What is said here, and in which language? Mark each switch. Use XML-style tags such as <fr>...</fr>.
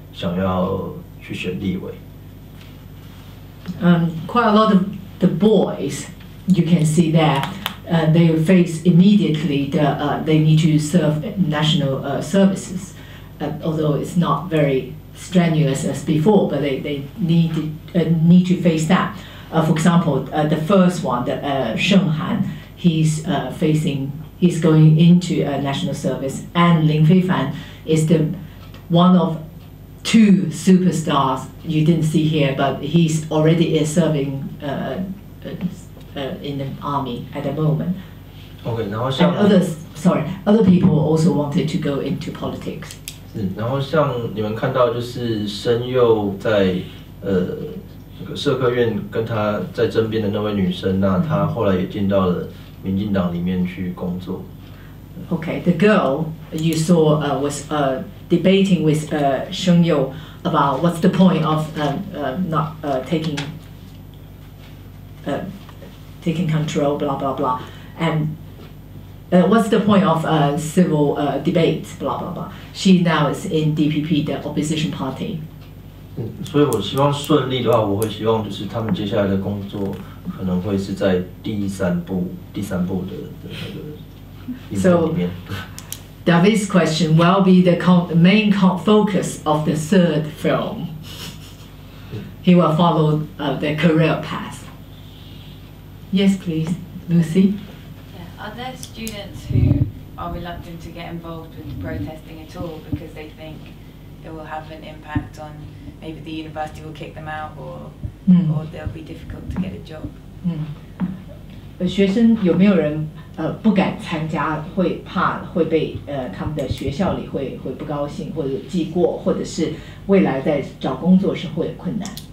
<zh>接下来应该也是会去当兵，应该也是替代役吧，我想。然后就大家知道的林非凡，就是他现在已经在服替代役。然后，其中除了志豪之外，也是有其他的角色，他们也有打算想要去选立委。</zh> <en>Quite a lot of the boys, you can see there, they face immediately the they need to serve national services, although it's not very. Strenuous as before, but they need to face that. For example, the first one, the Sheng Han, he's going into national service, and Lin Feifan is the one of two superstars you didn't see here, but he's already is serving in the army at the moment. Okay, now other people also wanted to go into politics.</en> <zh>是，然后像你们看到就是申佑在那个社科院跟他在争辩的那位女生，那她后来也进到了民进党里面去工作。</zh> <en>Okay, the girl you saw was debating with Sheng Yu about what's the point of not taking control, blah blah blah, and what's the point of civil debate, blah blah blah. She now is in DPP, the opposition party.</en> <zh>嗯，所以我希望顺利的话，我会希望就是他们接下来的工作可能会是在第三步的那个。</zh> <en>So, David's question will be the main focus of the third film. He will follow the career path. Yes, please, Lucy. Yeah. Are there students who are reluctant to get involved with protesting at all because they think it will have an impact on maybe the university will kick them out or they'll be difficult to get a job? Mm.</en> <zh>学生有没有人不敢参加，会怕会被他们的学校里会不高兴，或者记过，或者是未来在找工作时会有困难？</zh>